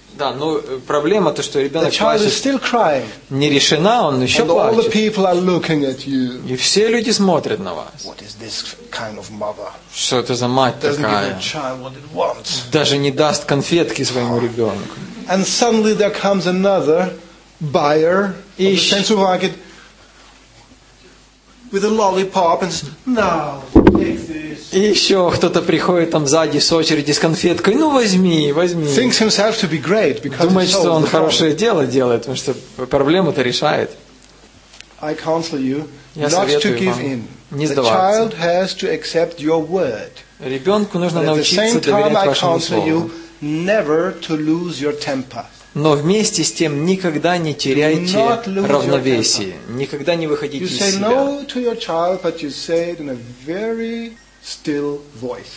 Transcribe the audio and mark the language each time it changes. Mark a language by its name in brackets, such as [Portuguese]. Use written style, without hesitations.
[Russian] Да, но проблема то, что ребенок плачет, не решена, он еще плачет. И все люди смотрят на вас. [English] Kind of [Russian] что это за мать такая? Даже не даст конфетки своему ребенку. [English] And suddenly there comes another buyer of the central market with a lollipop and says, "Now take this." [Russian] И еще кто-то приходит там сзади с очереди с конфеткой. Ну возьми, возьми. [English] Thinks himself to be great because [Russian] Думает, что он хорошее дело делает, потому что проблему-то решает. [English] I counsel you [Russian] Я [English] not [Russian] советую [English] to give [Russian] вам [English] in. [Russian] Не сдаваться. [English] The child has to accept your word. [Russian] Ребенку нужно научиться доверять вашему слову. [English] Never to lose your temper. [Russian] Но вместе с тем никогда не теряйте равновесие, никогда не выходите из себя. [English] You say no to your child, but you say it in a very still voice.